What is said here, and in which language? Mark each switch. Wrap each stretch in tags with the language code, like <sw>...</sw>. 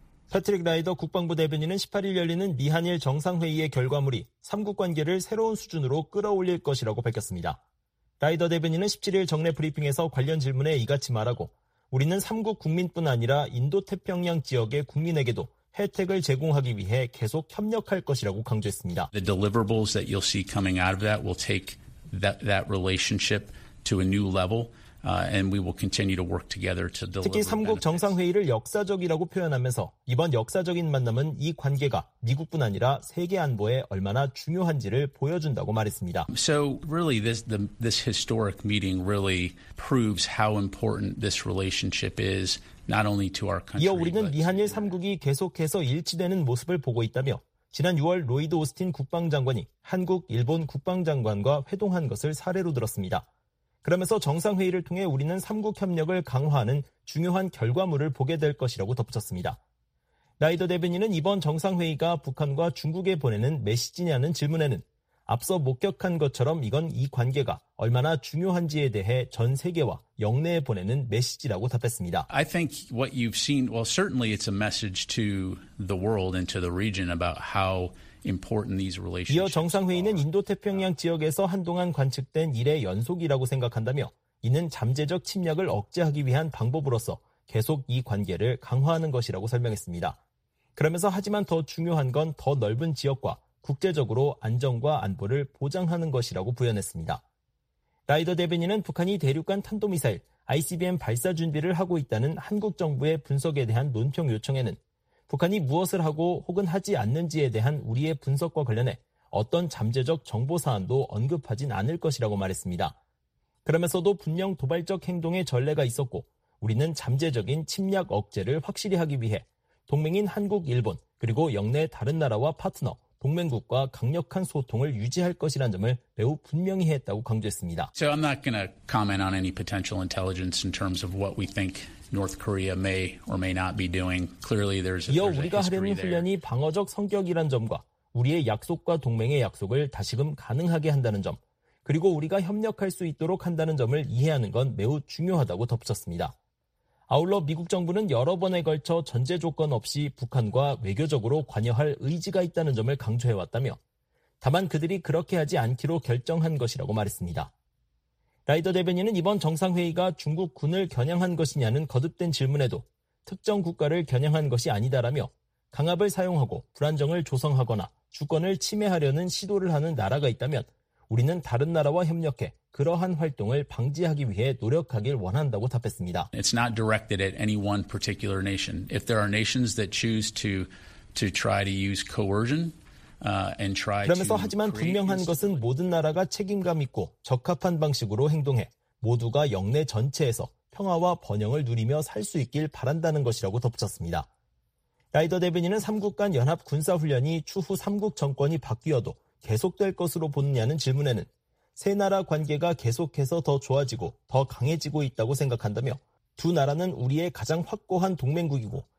<ko>패트릭 라이더 국방부 대변인은 18일 열리는 미한일 정상회의의 결과물이 3국 관계를 새로운 수준으로 끌어올릴 것이라고 밝혔습니다. 라이더 대변인은 17일 정례 브리핑에서 관련 질문에 이같이 말하고 우리는 3국 국민뿐 아니라 인도태평양 지역의 국민에게도 혜택을 제공하기 위해 계속 협력할 것이라고 강조했습니다.</ko> <en>The deliverables that you'll see coming out of that will take that relationship to a new level. And we will continue to work together to deliver.</en> <ko>특히 3국 정상회의를 역사적이라고 표현하면서 이번 역사적인 만남은 이 관계가 미국뿐 아니라 세계 안보에 얼마나 중요한지를 보여준다고 말했습니다.</ko> <en>So really this historic meeting really proves how important this relationship is not only to our country.</en> <ko>이어 우리는 미한일 3국이 계속해서 일치되는 모습을 보고 있다며 지난 6월 로이드 오스틴 국방장관이 한국, 일본 국방장관과 회동한 것을 사례로 들었습니다. 그러면서 정상회의를 통해 우리는 3국 협력을 강화하는 중요한 결과물을 보게 될 것이라고 덧붙였습니다. 라이더 대변인은 이번 정상회의가 북한과 중국에 보내는 메시지냐는 질문에는 앞서 목격한 것처럼 이건 이 관계가 얼마나 중요한지에 대해 전 세계와 역내에 보내는 메시지라고 답했습니다.</ko> <en>I think what you've seen, well, certainly it's a message to the world and to the region about how important these relationships.</en> <ko>이어 정상회의는 인도태평양 지역에서 한동안 관측된 일의 연속이라고 생각한다며 이는 잠재적 침략을 억제하기 위한 방법으로서 계속 이 관계를 강화하는 것이라고 설명했습니다. 그러면서 하지만 더 중요한 건 더 넓은 지역과 국제적으로 안정과 안보를 보장하는 것이라고 부연했습니다. 라이더 대변인은 북한이 대륙간 탄도미사일 ICBM 발사 준비를 하고 있다는 한국 정부의 분석에 대한 논평 요청에는 북한이 무엇을 하고 혹은 하지 않는지에 대한 우리의 분석과 관련해 어떤 잠재적 정보 사안도 언급하진 않을 것이라고 말했습니다. 그러면서도 분명 도발적 행동의 전례가 있었고 우리는 잠재적인 침략 억제를 확실히 하기 위해 동맹인 한국, 일본 그리고 역내 다른 나라와 파트너 동맹국과 강력한 소통을 유지할 것이라는 점을 매우 분명히 했다고 강조했습니다.</ko> <en>So I'm not going to comment on any potential intelligence in terms of what we think North Korea may or may not be doing. Clearly there's a history there.</en> <ko>이어 우리가 하려는 훈련이 방어적 성격이란 점과 우리의 약속과 동맹의 약속을 다시금 가능하게 한다는 점, 그리고 우리가 협력할 수 있도록 한다는 점을 이해하는 건 매우 중요하다고 덧붙였습니다. 아울러 미국 정부는 여러 번에 걸쳐 전제 조건 없이 북한과 외교적으로 관여할 의지가 있다는 점을 강조해왔다며 다만 그들이 그렇게 하지 않기로 결정한 것이라고 말했습니다. 라이더 대변인은 이번 정상회의가 중국 군을 겨냥한 것이냐는 거듭된 질문에도 특정 국가를 겨냥한 것이 아니다라며 강압을 사용하고 불안정을 조성하거나 주권을 침해하려는 시도를 하는 나라가 있다면 우리는 다른 나라와 협력해 그러한 활동을 방지하기 위해 노력하길 원한다고 답했습니다.</ko> <en>It's not directed at any one particular nation. If there are nations that choose to try to use coercion and try to</en> <ko>그러면서 하지만 분명한 것은 모든 나라가 책임감 있고 적합한 방식으로 행동해 모두가 역내 전체에서 평화와 번영을 누리며 살 수 있길 바란다는 것이라고 덧붙였습니다. 라이더 대변인은 3국 간 연합 군사 훈련이 추후 3국 정권이 바뀌어도 계속될 것으로 보느냐는 질문에는 세 나라 관계가 계속해서 더 좋아지고 더 강해지고 있다고 생각한다며 두 나라는 우리의 가장 확고한 동맹국이고</ko>